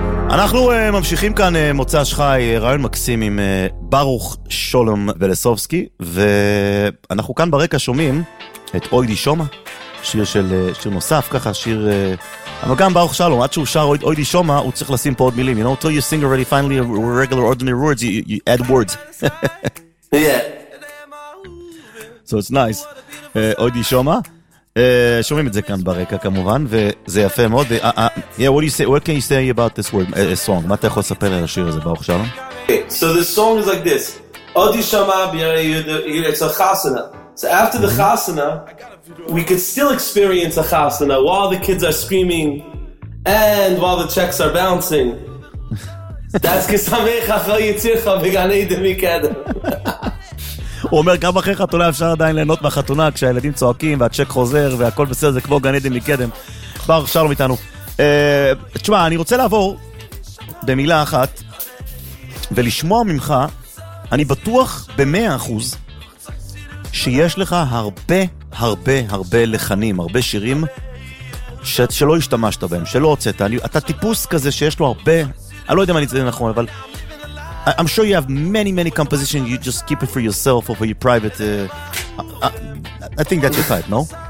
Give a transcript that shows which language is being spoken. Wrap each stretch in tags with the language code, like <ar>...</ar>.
<he>אנחנו ממשיכים כאן מוצא שחי, רעיון מקסים עם ברוך שולם ולסובסקי, ואנחנו כאן ברקע שומעים את אוי די שומה, שיר של שיר נוסף, ככה שיר, אבל גם ברוך שלום, עד שהוא שר אוי די שומה, הוא צריך לשים פה עוד מילים,</he> <en>you know, until you sing already finally a regular ordinary words, you add words. yeah. So it's nice. אוי די שומה.</en> <he>שומעים את זה כאן ברקע כמובן, וזה יפה מאוד.</he> <en>Yeah, what do you say, what can you say about this word, a song?</en> <he>מה אתה יכול לספר על השיר הזה, ברוך שלום?</he> <en>Okay, so the song is like this. Odi Shama, it's a chasana. So after the chasana, we could still experience a chasana while the kids are screaming and while the checks are bouncing. That's kesameich achal yitzicha v'ganei demikadam.</en> <he>הוא אומר, גם אחרי חתונה אפשר עדיין ליהנות מהחתונה, כשהילדים צועקים והצ'ק חוזר והכל בסדר, זה כמו גן עדן מקדם. ברוך שלום איתנו. תשמע, אני רוצה לעבור במילה אחת ולשמוע ממך, אני בטוח ב-100% שיש לך הרבה הרבה הרבה לחנים, הרבה שירים שלא השתמשת בהם, שלא הוצאת. אתה טיפוס כזה שיש לו הרבה, אני לא יודע אם אני צריך נכון, אבל</he> <en>I'm sure you have many, many compositions. You just keep it for yourself or for your private... I think that's your type, no?</en>